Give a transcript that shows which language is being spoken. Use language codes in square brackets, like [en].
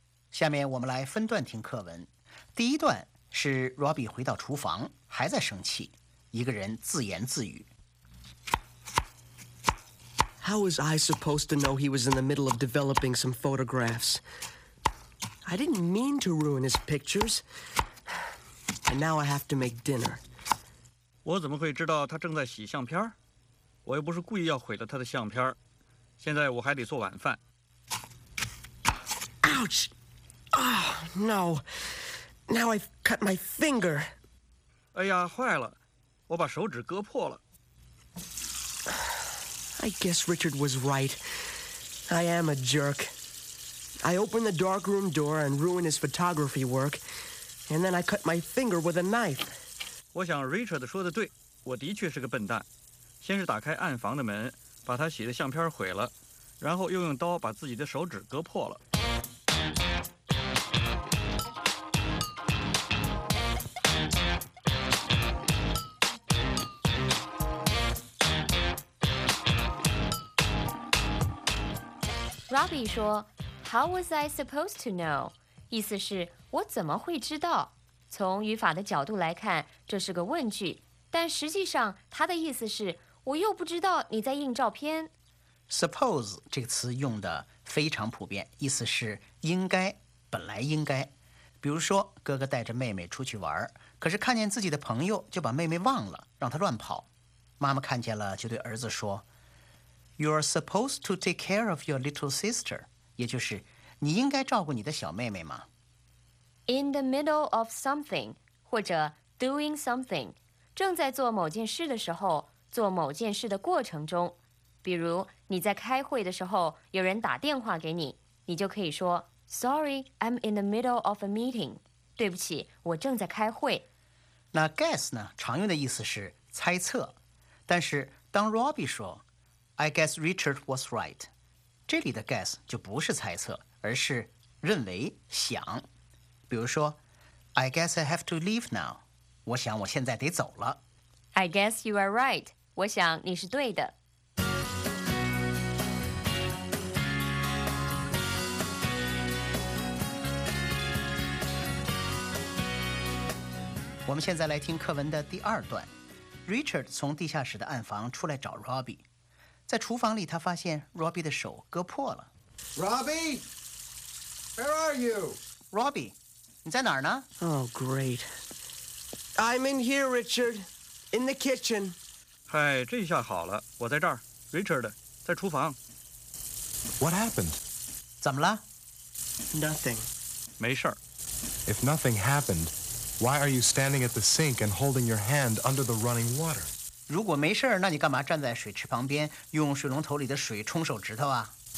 [zh] 下面我们来分段听课文。第一段是 Robbie 回到厨房还在生气，一个人自言自语。 [en] How was I supposed to know he was in the middle of developing some photographs? I didn't mean to ruin his pictures. And now I have to make dinner. [zh] 我怎么会知道他正在洗相片？我又不是故意要毁了他的相片。现在我还得做晚饭。 [en] Ouch! Oh, no. Now I've cut my finger. [zh] 哎呀，坏了，我把手指割破了。 [en] I guess Richard was right. I am a jerk. I opened the darkroom door and ruined his photography work, and then I cut my finger with a knife. [zh] 我想 Richard 说的对，我的确是个笨蛋。先是打开暗房的门，把他洗的相片毁了，然后又用刀把自己的手指割破了。 [en] Robbie 说 How was I supposed to know? [zh] 意思是我怎么会知道？从语法的角度来看，这是个问句，但实际上它的意思是我又不知道你在印照片。 Suppose 这个词用的非常普遍，意思是应该，本来应该。比如说哥哥带着妹妹出去玩，可是看见自己的朋友就把妹妹忘了，让她乱跑。妈妈看见了就对儿子说 [en] You're supposed to take care of your little sister. [zh] 也就是你应该照顾你的小妹妹吗 [en] In the middle of something, [zh] 或者 doing something, 正在做某件事的时候，做某件事的过程中。比如你在开会的时候，有人打电话给你，你就可以说 [en] Sorry, I'm in the middle of a meeting. [zh] 对不起，我正在开会。那 guess 呢，常用的意思是猜测。 [en] 但是当 Robbie 说I guess Richard was right. [zh] 这里的 guess 就不是猜测，而是认为、想。比如说 [en] ，I guess I have to leave now. [zh] 我想我现在得走了。 [en] I guess you are right. [zh] 我想你是对的。我们现在来听课文的第二段。Richard 从地下室的暗房出来找 Robbie。在厨房里他发现 Robbie 的手割破了。 [en] Robbie! Where are you? [zh] Robbie, 你在哪儿呢 [en] Oh, great. I'm in here, Richard. In the kitchen. [zh] 嗨，这下好了，我在这儿。 Richard, 在厨房。 [en] What happened? [zh] 怎么了 [en] Nothing. [zh] 没事。 [en] If nothing happened, why are you standing at the sink and holding your hand under the running water? [zh] 如果没事儿，那你干嘛站在水池旁边，用水龙头里的水冲手指头啊